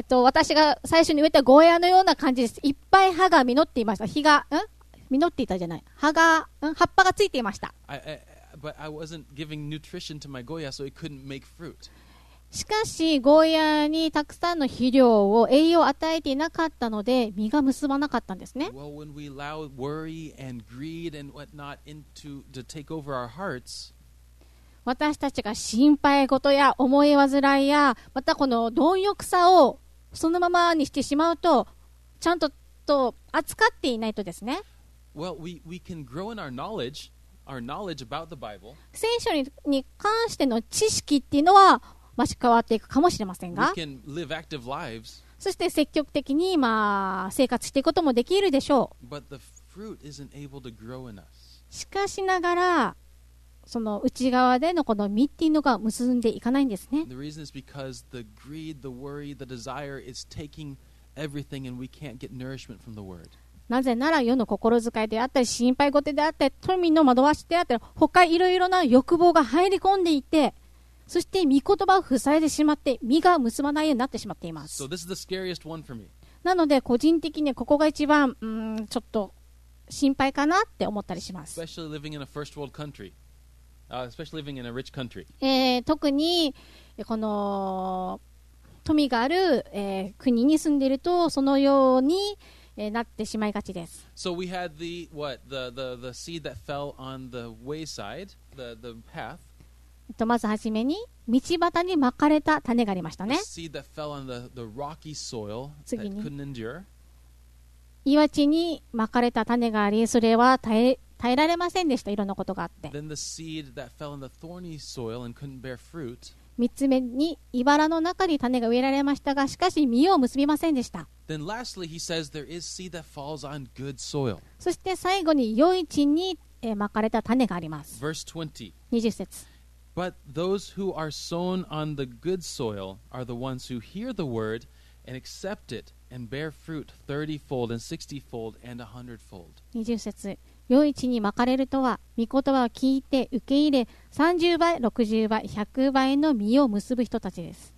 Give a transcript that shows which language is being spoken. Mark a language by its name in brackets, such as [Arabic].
[Japanese] 私が最初に植えたゴーヤのような感じです。いっぱい葉が実っていました。実っていたじゃない。葉っぱがついていました。 [English] But I wasn't giving nutrition to my Goya, so it couldn't make fruit. [Japanese] しかしゴーヤにたくさんの肥料を栄養を与えていなかったので実が結ばなかったんですね。 [English] Well, when we allow worry and greed and whatnot into to take over our hearts, [Japanese] 私たちが心配事や思い患いやまたこの貪欲さをそのままにしてしまうとちゃんと扱っていないとですね。 [English] Well, we can grow in our knowledge, our knowledge about the Bible. [Japanese] 聖書に関しての知識っていうのは増し変わっていくかもしれませんが、 [English] We can live active lives, [Japanese] そして積極的に、まあ、生活していくこともできるでしょう。 [English] But the fruit isn't able to grow in us. [Japanese] しかしながらその内側でのこの実っていうのが結んでいかないんですね。 [English] The reason is because the greed, the worry, the desire is taking everything and we can't get nourishment from the word. [Japanese] なぜなら世の心遣いであったり心配事であったり富の惑わしであったり他いろいろな欲望が入り込んでいて、そして御言葉を塞いでしまって実が結ばないようになってしまっています。 [English] So、this is the scariest one for me. [Japanese] なので個人的にここが一番ちょっと心配かなって思ったりします。 [English] Especially living in a first world country. Especially living in a rich country. [Japanese] 特にこの富がある、国に住んでいるとそのように、なってしまいがちです。 [English] So we had the, what, the seed that fell on the wayside, the path. [Japanese] まずはじめに道端にまかれた種がありましたね。次に岩地にまかれた種があり、それは耐えられませんでした。いろんなことがあって。三つ目に茨の中に種が植えられましたが、しかし実を結びませんでした。そして最後に良い地にまかれた種があります。 [English] Verse 20 [Japanese] 節。 [English] But those who are sown on the good soil are the ones who hear the word and accept it and bear fruit 30-fold and 60-fold and 100-fold. [Japanese] 20節。良い地にまかれるとは、御言葉を聞いて受け入れ、30倍、60倍、100倍の実を結ぶ人たちです。